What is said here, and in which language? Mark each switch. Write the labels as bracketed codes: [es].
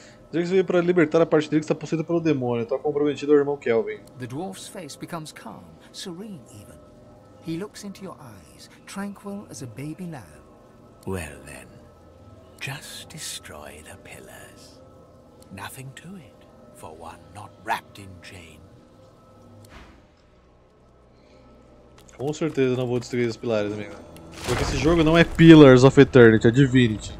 [pt] Dizer que você veio para libertar a parte dele que está possuída pelo demônio. Está comprometido ao irmão Calvin. [en] The dwarf's face becomes calm, serene even. He looks into your eyes, tranquil as a baby lamb. Well then, just destroy the pillars. Nothing to it, for one not wrapped in chain. [pt] Com certeza não vou destruir os pilares, amigo. Porque esse jogo não é Pillars of Eternity, é Divinity.